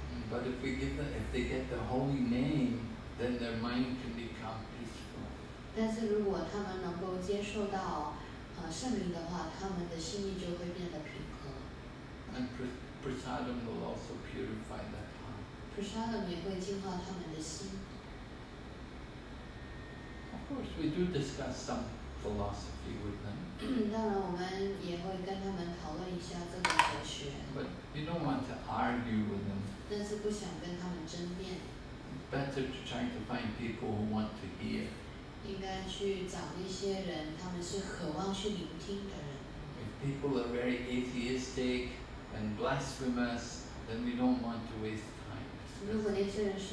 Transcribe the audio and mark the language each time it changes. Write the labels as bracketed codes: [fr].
[en] But if we give them, if they get the holy name, then their mind can become [zh] 但是如果他们能够接受到圣灵的话，他们的心意就会变得平和。 [en] And prasadam will also purify that heart. [zh] Prasadam 也会净化他们的心。 [en] Of course, we do discuss some philosophy with them. [zh] 当然，我们也会跟他们讨论一下这个哲学。 [en] But you don't want to argue with them. [zh] 但是不想跟他们争辩。 [en] Better to try to find people who want to hear. [zh] 应该去找一些人，他们是渴望去聆听的人。 [en] If people are very atheistic and blasphemous, then we don't want to waste time.